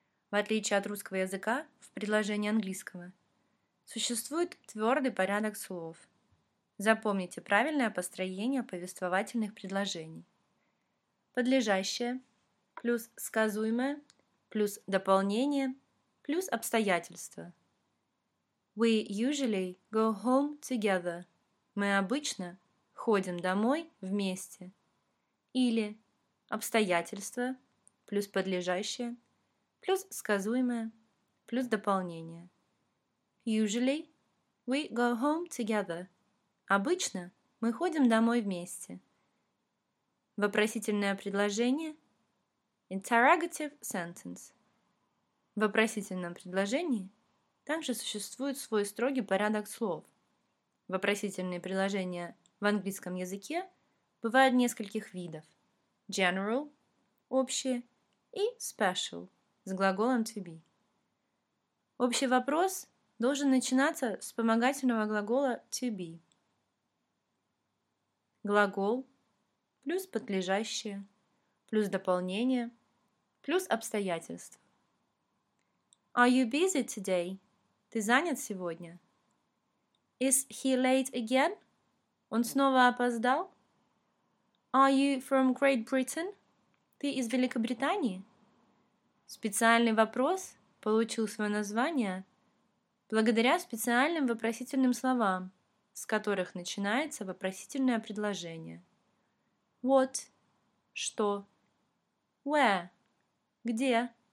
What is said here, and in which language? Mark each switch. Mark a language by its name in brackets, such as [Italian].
[Russian] В отличие от русского языка, в предложении английского существует твердый порядок слов. Запомните правильное построение повествовательных предложений. Подлежащее плюс сказуемое плюс дополнение плюс обстоятельства. [English] We usually go home together. [Russian] Мы обычно ходим домой вместе. Или обстоятельства плюс подлежащее плюс сказуемое плюс дополнение. [English] Usually we go home together. [Russian] Обычно мы ходим домой вместе. Вопросительное предложение. [English] Interrogative sentence. [Russian] В вопросительном предложении также существует свой строгий порядок слов. Вопросительные предложения в английском языке бывают нескольких видов. General – общие и special – с глаголом to be. Общий вопрос должен начинаться с вспомогательного глагола to be. Глагол плюс подлежащее, плюс дополнение, плюс обстоятельства. [English] Are you busy today? [Russian] Ты занят сегодня? [English] Is he late again? [Russian] Он снова опоздал? [English] Are you from Great Britain? [Russian] Ты из Великобритании? Специальный вопрос получил свое название благодаря специальным вопросительным словам, с которых начинается вопросительное предложение. [English] What – что? Where – где?